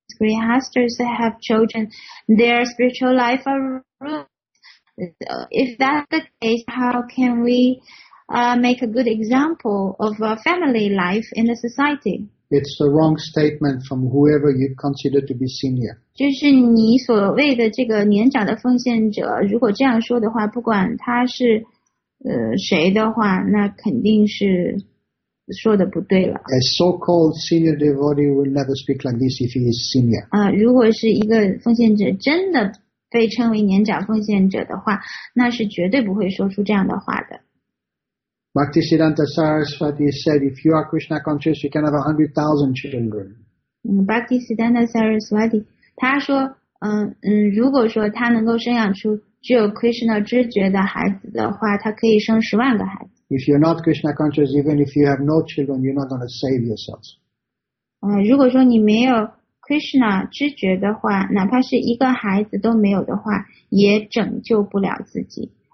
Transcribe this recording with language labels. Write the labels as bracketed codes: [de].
[en] Grihasthas have children, their spiritual life are ruined. If that's the case, how can we make a good example of a family life in the society? It's the wrong statement from whoever you consider to be senior. [zh] 就是你所谓的这个年长的奉献者，如果这样说的话，不管他是谁的话，那肯定是。说的不对了。 [en] A so-called senior devotee will never speak like this if he is senior. [zh] 如果是一个奉献者真的被称为年长奉献者的话，那是绝对不会说出这样的话的。 [en] Bhaktisiddhanta Saraswati said, "If you are Krishna conscious, you can have 100,000 children." [zh] Bhaktisiddhanta Saraswati 他说，如果说他能够生养出具有 Krishna 知觉的孩子的话，他可以生十万个孩子。 [en] If you're not Krishna conscious, even if you have no children, you're not going to save yourself. [zh] 如果说你没有 Krishna 知觉的话，哪怕是一个孩子都没有的话，也拯救不了自己。